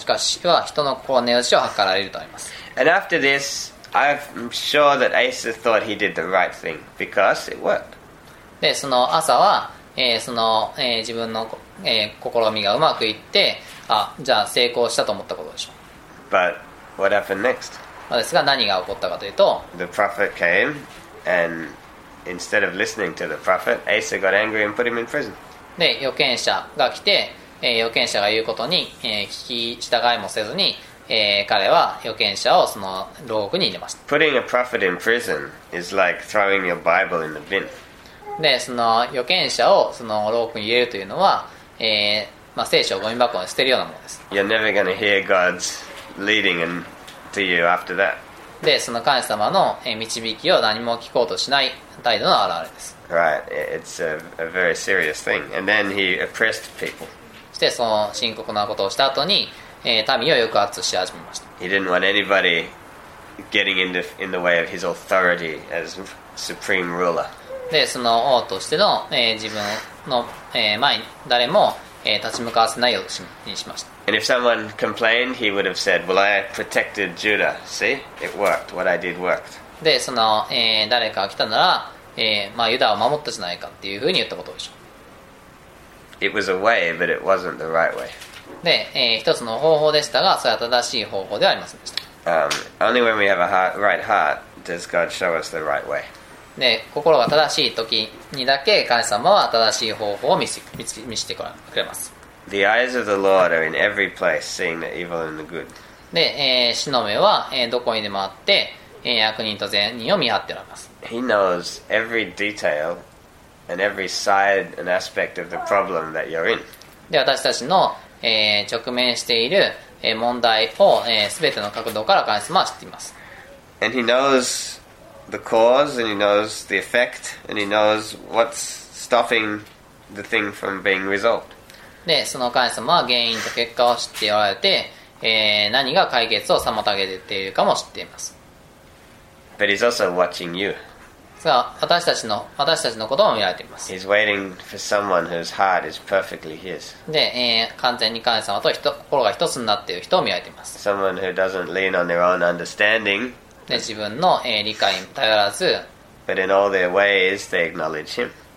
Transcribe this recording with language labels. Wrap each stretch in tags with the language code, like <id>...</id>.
<ja>しかしは人の心の根内を図られるとあります。</ja> <en>And after this, I'm sure that Asa thought he did the right thing because it worked.</en> <ja>で、その朝は、自分の、試みがうまくいって、じゃあ成功したと思ったことでしょう。</ja> <en>But what happened next?</en> <ja>ですが何が起こったかというと、</ja> <en>The prophet came and instead of listening to the prophet, Asa got angry and put him in prison.</en> <ja>で、預言者が来て、預言者が言うことに、聞き従いもせずに、彼は預言者をその牢獄に入れました。</ja> <en>Putting a prophet in prison is like throwing your Bible in the bin.</en> <ja>で、その預言者をその牢獄に入れるというのは、聖書をゴミ箱に捨てるようなものです。</ja> <en>You're never going to hear God's leading to you after that.</en> <ja>で、その神様の導きを何も聞こうとしない態度の表れです。</ja> <en>Right, it's a very serious thing. And then he oppressed people.</en> <ja>そしてその深刻なことをした後に、民を抑圧し始めました。</ja> <en>He didn't want anybody getting in the way of his authority as supreme ruler.</en> <ja>で、その王としての、自分の、前に誰も、立ち向かわせないようにしました。</ja> <en>And if someone complained, he would have said, "Well, I protected Judah. See? It worked. What I did worked."</en> <ja>で、その、誰かが来たなら、ユダを守ったじゃないかっていうふうに言ったことでしょう。</ja> <en>It was a way, but it wasn't the right way.</en> <ja>で、一つの方法でしたが、それは正しい方法ではありませんでした。</ja> <en>Only when we have a heart, right heart does God show us the right way.</en> <ja>で、心が正しい時にだけ神様は正しい方法を見せてくれます。</ja> <en>The eyes of the Lord are in every place, seeing the evil and the good.</en> <ja>で、主の目は、どこにでもあって、悪人と善人を見張っておられます。</ja> <en>He knows every detail. And every side and aspect of the problem that you're in.</en> <ja>で、私たちの、直面している、問題を、全ての角度から神様は知っています。</ja> <en>And he knows the cause, and he knows the effect, and he knows what's stopping the thing from being resolved.</en> <ja>で、その神様は原因と結果を知っておられて、何が解決を妨げているかも知っています。</ja> <en>But he's also watching you.</en> <ja>私たちのことも見られています。</ja> <en>He's waiting for someone whose heart is perfectly his.</en> <ja>で、完全に神様と心が一つになっている人を見られています。</ja> <en>Someone who doesn't lean on their own understanding.</en> <ja>で、自分の、理解に頼らず。</ja> <en>But in all their ways, they acknowledge him.</en>